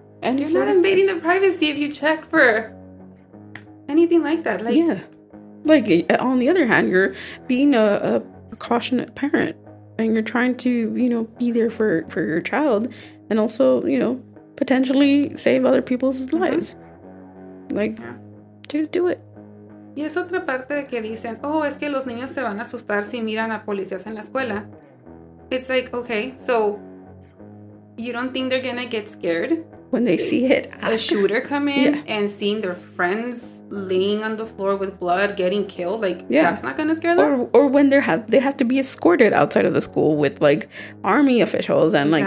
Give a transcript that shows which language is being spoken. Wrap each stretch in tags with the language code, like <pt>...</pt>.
<en>And you're not invading their privacy if you check for... anything like that. Like, yeah. Like, on the other hand, you're being a precautionate parent and you're trying to, you know, be there for your child and also, you know, potentially save other people's uh-huh. lives. Like, yeah. just do it.</en> <es>Y es otra parte de que dicen, oh, es que los niños se van a asustar si miran a policías en la escuela.</es> <en>It's like, okay, so you don't think they're gonna get scared? When they see it. A shooter come in yeah. and seeing their friends laying on the floor with blood, getting killed. Like, yeah. that's not going to scare them? Or when they have to be escorted outside of the school with, like, army officials and, exactly.</en>